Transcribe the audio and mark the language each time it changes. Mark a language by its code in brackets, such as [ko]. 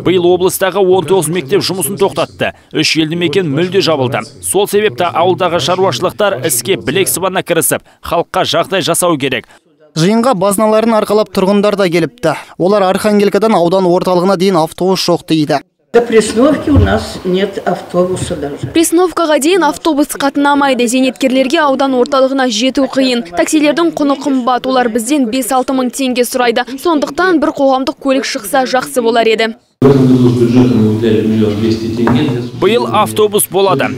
[kk] Биыл облыстағы 19 мектеп жұмысын тоқтатты. 3 елді мекен мүлде жабылды. Сол себепті ауылдағы шаруашылықтар іске білек сыбана кірісіп, халыққа жағдай жасау керек. Жиынға базналарын арқалап тұрғындар да келіпті. Олар Архангелкадан аудан орталығына дейін автобус жоқ дейді. [ru] До пресновки у нас нет автобуса даже. [kk] Пресновкаға дейін автобус қатынамайды. Зейнеткерлерге аудан орталығына жету қиын. Таксилердің құны қымбат. Олар бізден 5-6 мың теңге сұрайды. Сондықтан бір қоғамдық көлік шықса жақсы болар еді. Биыл автобус болады.